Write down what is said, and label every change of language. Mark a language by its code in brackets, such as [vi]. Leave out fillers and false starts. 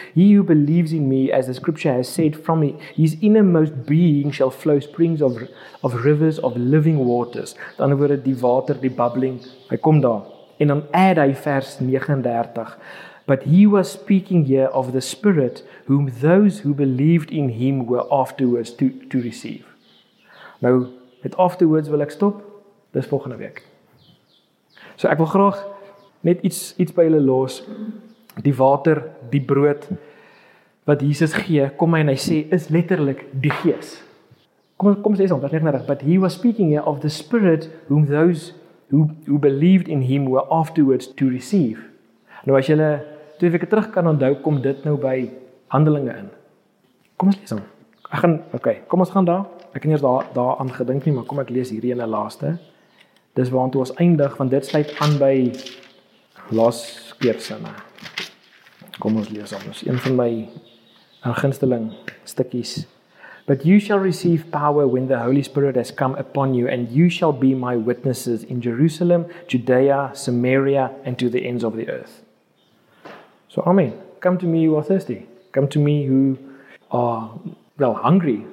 [en] He who believes in me, as the scripture has said, from me, his innermost being shall flow springs of rivers of living waters." [af] In ander woorde, die water, die bubbling, hy kom daar. En dan add hy vers 39. [en] "But he was speaking here of the Spirit whom those who believed in him were afterwards to receive." [af] Nou, met afterwards wil ek stop. Dis volgende week. So ek wil graag net iets by julle los. Die water, die brood wat Jesus gee, kom hy en hy sê, is letterlik die Gees. Kom sê ons, vers 39. [en] "But he was speaking here of the Spirit whom those who believed in him were afterwards to receive." [af] Nou as julle twee weke terug kan onthou, kom dit nou by Handelinge in. Kom ons lees hom. Ek gaan, okay, kom ons gaan daar. Ek het eers daar aan gedink nie, maar kom ek lees hierdie ene laaste. Dis waartoe ons eindig, want dit sluit aan by laas keersinne. Kom ons lees hom. Dis een van my gunsteling stukkies. [en] "But you shall receive power when the Holy Spirit has come upon you, and you shall be my witnesses in Jerusalem, Judea, Samaria, and to the ends of the earth." So, amen. Come to me who are thirsty. Come to me who are, well, hungry.